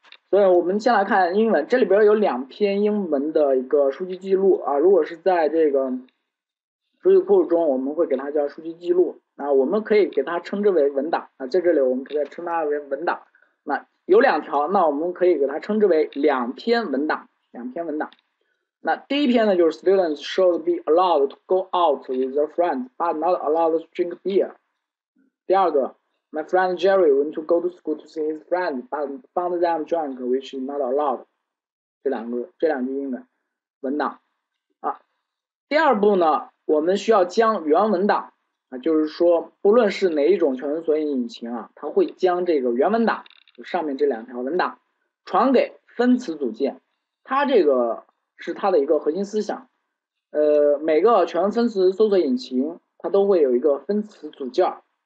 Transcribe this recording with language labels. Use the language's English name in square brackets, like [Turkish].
[Chinese] 所以我们先来看英文，这里边有两篇英文的一个数据记录啊，如果是在这个数据库中，我们会给它叫数据记录，那我们可以给它称之为文档啊，在这里我们可以称它为文档。那有两条，那我们可以给它称之为两篇文档。那第一篇呢，就是 [English] students should be allowed to go out with their friends but not allowed to drink beer。 [Chinese] 第二个， [English] My friend Jerry went to go to school to see his friend, but found them drunk, which is not allowed. [Chinese] 这两句英文文档啊。第二步呢，我们需要将原文档啊，就是说不论是哪一种全文索引引擎啊，它会将这个原文档，就上面这两条文档传给分词组件。它这个是它的一个核心思想。每个全文分词搜索引擎它都会有一个分词组件。